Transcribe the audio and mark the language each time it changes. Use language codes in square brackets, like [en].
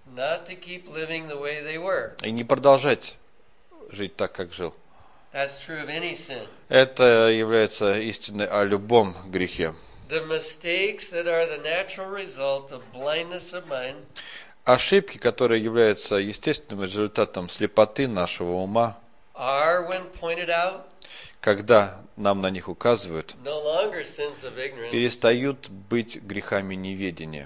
[ru] И не продолжать жить так, как жил. [en] That's true of any sin. [ru] Это является истиной о любом грехе. [en] The mistakes that are the natural result of blindness of mind. [ru] Ошибки, которые являются естественным результатом слепоты нашего ума. [en] Are when pointed out. [ru] Когда нам на них указывают. [en] No longer sins of ignorance. [ru] Перестают быть грехами неведения.